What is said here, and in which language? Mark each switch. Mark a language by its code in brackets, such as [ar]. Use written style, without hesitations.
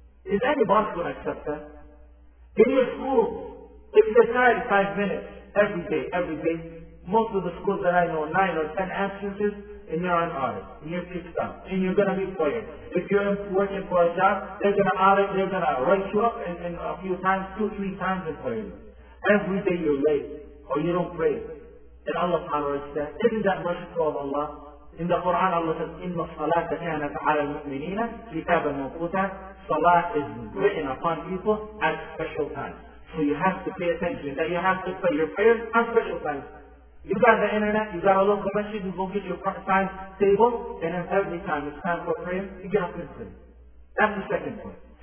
[en] Is any boss going to accept that? In your school, if you decide 5 minutes every day, most of the schools that I know, 9 or 10 absences, and you're on audit, and you're kicked out, and you're going to be fired. If you're working for a job, they're going to audit, they're going to write you up and a few times, 2-3 times and fire you. Every day you're late, or you don't pray. And Allah tolerates that. Isn't that merciful of Allah? In the Quran, Allah says, [ar] إِنَّ الصَّلَاةَ كَانَتْ عَلَى الْمُؤْمِنِينَ كِتَابًا مَوْقُوتًا. [en] Salah is written upon people at special times. So you have to pay attention that you have to pray your prayers at special times. You got the internet, you got a little convention, you go get your part-time table, and then every time it's time for prayer, you get up and pray. That's the second point.